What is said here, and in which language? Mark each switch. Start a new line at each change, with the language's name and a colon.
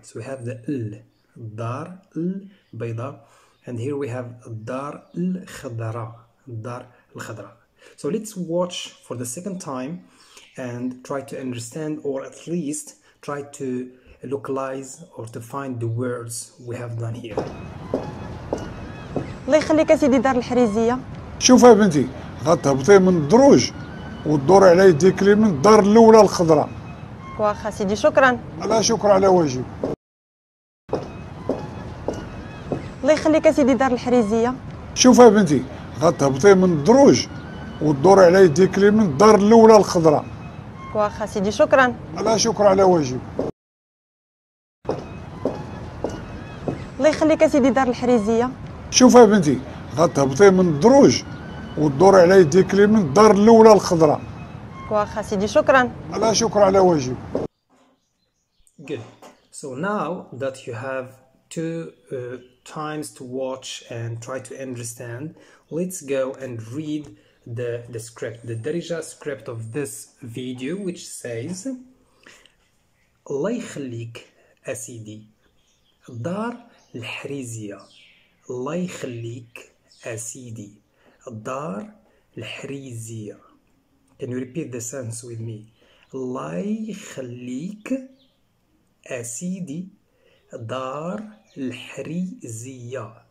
English: So we have the
Arabic: الدار البيضاء,
English: and here we have
Arabic: الدار الخضراء. الدار الخضراء.
English: So let's watch for the second time and try to understand, or at least try to localize or to find the words we have done here.
Arabic: الله يخليك سيدي دار الحريزيه. شوف يا بنتي غتهبطي من الدروج والدور على يديك اليمين الدار الاولى الخضراء. واخا سيدي شكرا. لا شكرا على واجب. الله يخليك سيدي دار الحريزيه. شوف يا بنتي غتهبطي من الدروج والدور على يديك اليمين الدار الاولى الخضراء. واخا سيدي شكرا. لا شكرا على واجب. الله يخليك سيدي دار الحريزيه. شوف يا بنتي غتهبطي من الدروج والدور على يديك اليمين الدار الاولى الخضراء. واخا سيدي شكرا. لا شكرا على واجب.
English: Good. So now that you have two times to watch and try to understand, let's go and read the script, the Darija script of this video, which says
Arabic: الله يخليك أسيدي دار الحريزية. الله يخليك أسيدي دار الحريزية.
English: Can you repeat the sentence with me?
Arabic: الله يخليك أسيدي دار الحريزية.